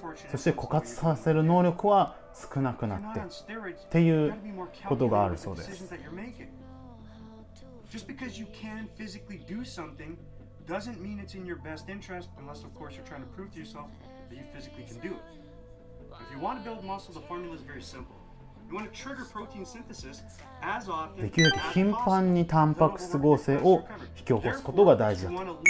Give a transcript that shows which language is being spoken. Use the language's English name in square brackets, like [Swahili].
[Japanese] そして枯渇させる能力は少なくなってっていうことがあるそうです。 [English] Just because you can physically do something doesn't mean it's in your best interest unless of course you're trying to prove to yourself that you physically can do it. If you want to build muscle, the formula is very simple. You want to trigger protein synthesis as often. [Japanese] できるだけ頻繁にタンパク質合成を引き起こすことが大事だと。